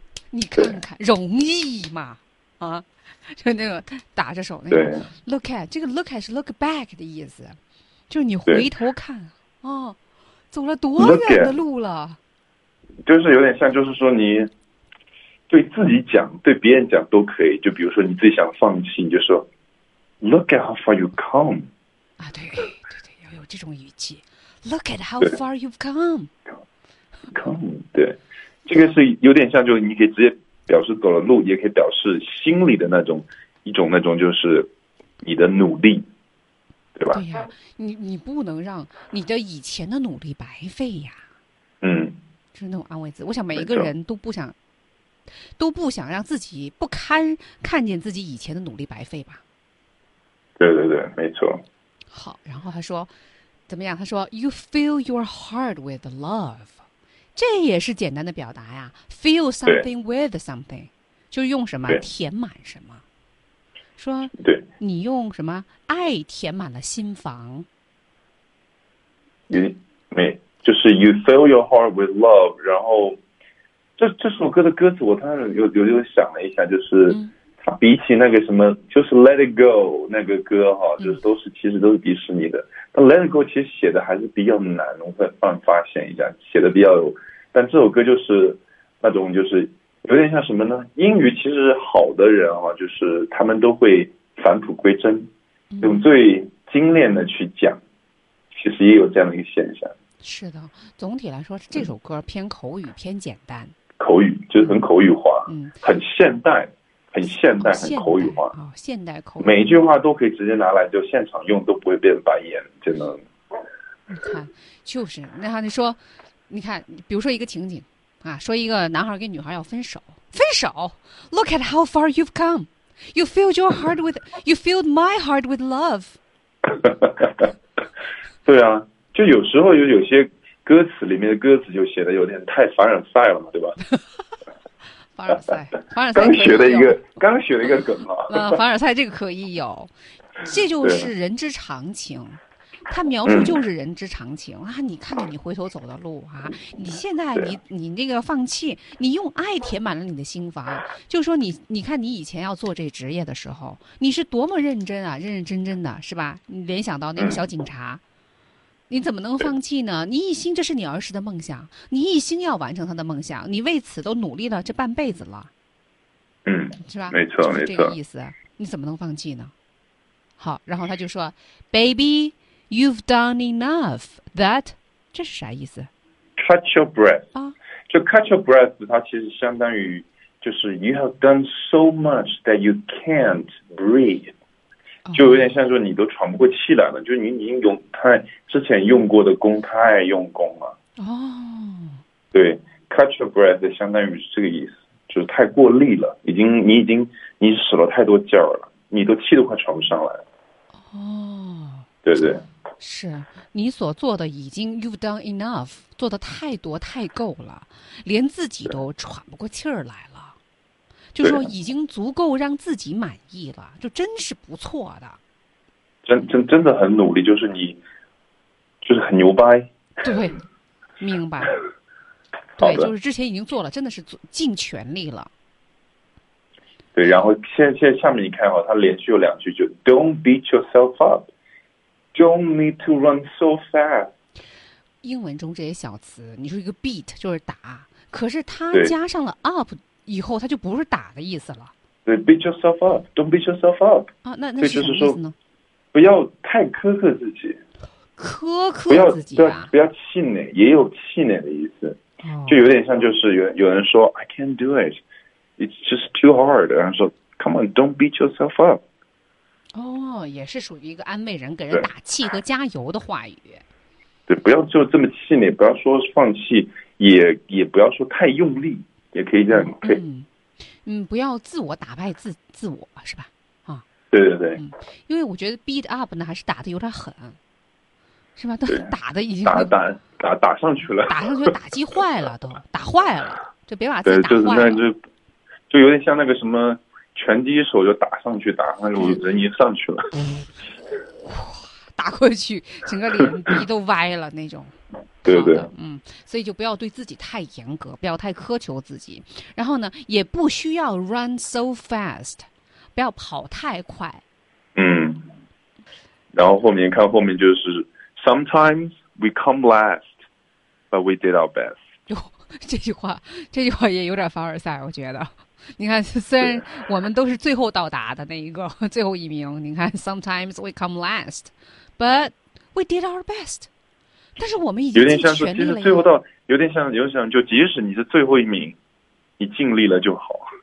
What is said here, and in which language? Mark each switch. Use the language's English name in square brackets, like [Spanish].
[Chinese] 你看看，容易吗？啊。就那个打着手那个 [English] look at， [Chinese] 这个 look at 是 look back 的意思，就是你回头看哦，走了多远的路了， at, 就是有点像，就是说你对自己讲，对别人讲都可以，就比如说你自己想放弃，你就说 [English] look at how far you come [Chinese] 啊，对对对，要有这种语气， [English] look at how far you've come， [Chinese] 对，这个是有点像，就是你可以直接表示走了路，也可以表示心里的那种一种那种，就是你的努力，对吧？对呀、啊，你不能让你的以前的努力白费呀。嗯，就是那种安慰自己。我想每一个人都不想让自己不堪看见自己以前的努力白费吧。对对对，没错。好，然后他说怎么样？他说 [English] "You fill your heart with love." [Chinese] 这也是简单的表达呀 ， [English] fill something with something， [Chinese] 就是用什么填满什么。说，对，你用什么爱填满了心房？就是 [English] you fill your heart with love。 [Chinese] 然后，这首歌的歌词，我突然又想了一下，就是、嗯、它比起那个什么，就是 Let It Go 那个歌哈，就是都是、嗯、其实都是迪士尼的。 Let It Go 其实写的还是比较难，我会发现一下写的比较有，但这首歌就是那种就是有点像什么呢，英语其实好的人啊，就是他们都会返璞归真，用最精炼的去讲，其实也有这样的一个现象。是的，总体来说这首歌偏口语、嗯、偏简单，口语就是很口语化、嗯、很现代，很现代，很口语化，哦，现代口语，每一句话都可以直接拿来就现场用，都不会变白眼，真的。你看，就是那哈，你说，你看，比如说一个情景啊，说一个男孩跟女孩要分手 [English] ，Look at how far you've come, you filled your heart with, you filled my heart with love 。 [Chinese] 对啊，就有时候有些歌词里面的歌词就写的有点太凡尔赛了嘛，对吧？凡尔赛刚学的一个梗嘛。那凡尔赛这个可以有，这就是人之常情，他描述就是人之常情、嗯、啊！你看着你回头走的路啊，你现在你那个放弃，你用爱填满了你的心房，就说你看你以前要做这职业的时候，你是多么认真啊，认认真真的是吧？你联想到那个小警察。嗯，你怎么能放弃呢？你一心，这是你儿时的梦想，你一心要完成他的梦想，你为此都努力了这半辈子了，嗯，是吧？没错，没错，这个意思，你怎么能放弃呢？好，然后他就说 ， [English] Baby, you've done enough. That， [Chinese] 这是啥意思 [English] ？Cut your breath [Chinese] 啊，就 [English] cut your breath， [Chinese] 它其实相当于就是 [English] you have done so much that you can't breathe。 [Chinese] 就有点像说你都喘不过气来了，就是你已经用太之前用过的功太用功了。哦，对 ， [English] catch your breath [Chinese] 相当于是这个意思。就是太过力了，已经你已经你使了太多劲儿了，你都气都快喘不上来。哦，对对，是你所做的已经 [English] you've done enough， [Chinese] 做的太多太够了，连自己都喘不过气儿来了，就说已经足够让自己满意了，就真是不错的。真的很努力，就是你，就是很牛掰。对，明白。对，就是之前已经做了，真的是尽全力了。对，然后现在下面你看哈，他连续有两句就 [English] "Don't beat yourself up, don't need to run so fast"。 [Chinese] 英文中这些小词，你说一个 beat 就是打，可是他加上了 up 以后，他就不是打的意思了。对 [English] ，beat yourself up, don't beat yourself up。 [Chinese] 啊，那是什么意思呢？不要太苛刻自己，苛刻自己、啊、不要气馁，也有气馁的意思。就有点像，就是有人说 [English] I can't do it, it's just too hard, [Chinese] 然后说 [English] come on, don't beat yourself up。 [Chinese] 哦，也是属于一个安慰人，给人打气和加油的话语。对，不要就这么气馁，不要说放弃，也不要说太用力，也可以这样。嗯，可以不要自我打败自我是吧。对对对、因为我觉得 [English] beat up [Chinese] 呢还是打得有点狠，是吧？都打得已经打上去了，打上去打击坏了，都打坏了，就别把自己打坏了。对，就有点像那个什么拳击手，就打上去打那种、人已经上去了，打过去整个脸皮都歪了那种。对对，所以就不要对自己太严格，不要太苛求自己，然后呢也不需要 [English] run so fast， [Chinese] 不要跑太快。嗯，然后后面看后面就是 [English] Sometimes we come last, but we did our best。 [Chinese] 这句话也有点凡尔赛，我觉得你看虽然我们都是最后到达的那一个最后一名，你看 [English] Sometimes we come last, but we did our best, [Chinese] 但是我们已经尽全力了。有点像说其实最后到有点像就即使你是最后一名，你尽力了就好。